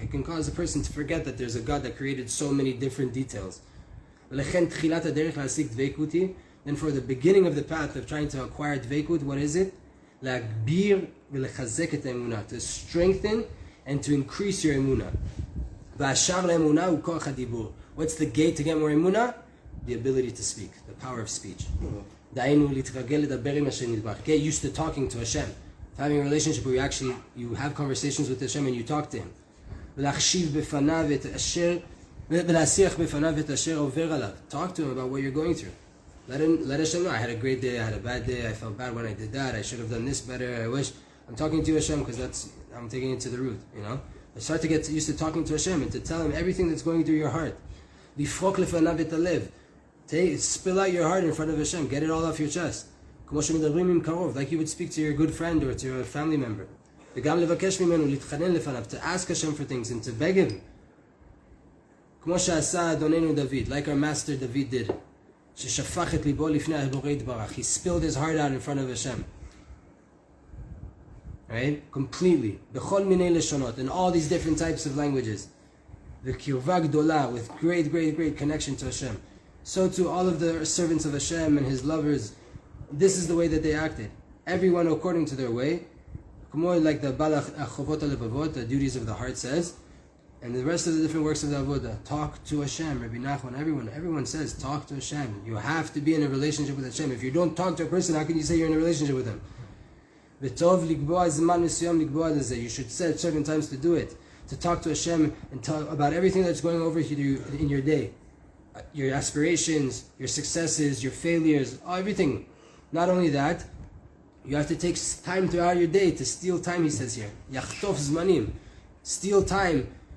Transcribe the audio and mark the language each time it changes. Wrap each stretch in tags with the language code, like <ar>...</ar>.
<en>It can cause a person to forget that there's a God that created so many different details.</en> <he>ולכן תחילת הדרך להשיג דבקות היא,</he> <en>then for the beginning of the path of trying to acquire דבקות, what is it?</en> <he>להגביר ולחזק את האמונה,</he> <en>to strengthen and to increase your אמונה.</en> <he>והשאר לאמונה הוא כוח הדיבור.</he> <en>What's the gate to get more אמונה? The ability to speak, the power of speech.</en> <he>דיינו להתרגל לדבר עם השם נדבר.</he> <en>Get used to talking to Hashem. Having a relationship where you actually, you have conversations with Hashem and you talk to Him.</en> <he>ולהחשיב בפניו את אשר, ולהשיח בפניו את אשר עובר עליו.</he> <en>Talk to Him about what you're going through. Let Hashem know, I had a great day, I had a bad day, I felt bad when I did that, I should have done this better, I wish. I'm talking to you, Hashem, because that's, I'm taking it to the root, you know. I start to get used to talking to Hashem and to tell Him everything that's going through your heart.</en> <he>לפרוק לפניו את הלב.</he> <en>Spill out your heart in front of Hashem. Get it all off your chest.</en> <he>כמו שמדברים עם קרוב,</he> <en>like you would speak to your good friend or to your family member.</en> <he>וגם לבקש ממנו, להתחנן לפניו,</he> <en>to ask Hashem for things and to beg Him.</en> <he>כמו שעשה אדוננו דוד,</he> <en>like our master David did.</en> <he>ששפך את ליבו לפני הבורא יתברך.</he> <en>He spilled his heart out in front of Hashem. Right? Completely.</en> <he>בכל מיני לשונות.</he> <en>In all these different types of languages.</en> <he>וקרבה גדולה,</he> <en>with great, great, great connection to Hashem. So to all of the servants of Hashem and His lovers, this is the way that they acted. Everyone according to their way. כמו like the Bala Achovot HaLevavot, the duties of the heart says, and the rest of the different works of the Avodah, talk to Hashem, Rabbi Nachman, everyone says, talk to Hashem. You have to be in a relationship with Hashem. If you don't talk to a person, how can you say you're in a relationship with Him?</en> <he>וטוב לקבוע זמן מסוים לקבוע לזה.</he> <en>You should set certain times to do it. To talk to Hashem and talk about everything that's going over here in your day. Your aspirations, your successes, your failures, everything. Not only that, you have to take time throughout your day to steal time, he says here.</en> <he>יחטוף זמנים.</he> <en>Steal time.</en>